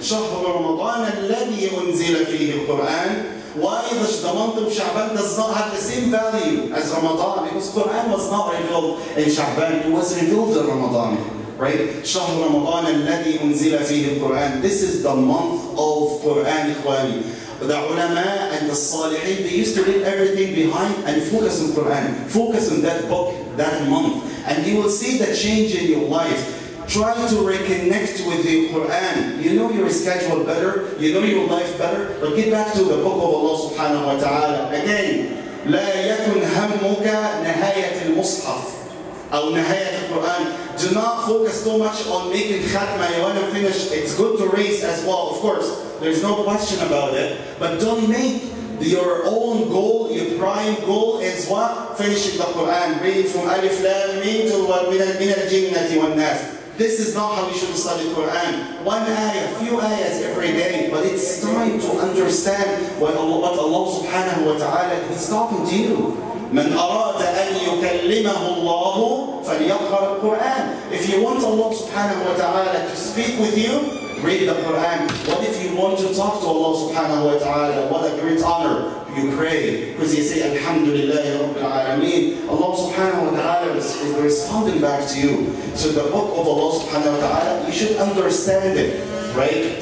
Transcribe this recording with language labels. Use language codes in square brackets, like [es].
[ar] شهر رمضان الذي أنزل فيه القرآن. [en] Why the month of Sha'ban does not have the same value as Ramadan? Because Quran was not revealed in Sha'ban, it was revealed in Ramadan. Right? [ar] شهر رمضان الذي أنزل فيه القرآن. [en] This is the month of Quran, إخواني. The ulama and the salihin, they used to leave everything behind and focus on Quran. Focus on that book, that month. And you will see the change in your life. Try to reconnect with the Quran. You know your schedule better. You know your life better. But get back to the book of Allah subhanahu wa ta'ala. [ar] Again, لا يكن همك نهاية المصحف. أو نهاية القرآن. [en] Do not focus too much on making khatma. You want to finish. It's good to read as well, of course. There's no question about it. But don't make your own goal, your prime goal is what? Finishing the Quran, reading from Alif Lam Mim to what? [ar] Min al Jinnati wal Nas. [en] This is not how you should study Quran. One ayah, few ayahs every day, but it's time to understand what Allah subhanahu wa ta'ala is talking to you. [ar] من أراد أن يكلمه الله فليقرأ القرآن. [en] If you want Allah subhanahu wa ta'ala to speak with you, read the Quran. What if you want to talk to Allah subhanahu wa ta'ala? What a great honor. You pray. Because you say, [ar] Alhamdulillah, Rabbil Alameen. [en] Allah subhanahu wa ta'ala is responding back to you. So the book of Allah subhanahu wa ta'ala, you should understand it. Right?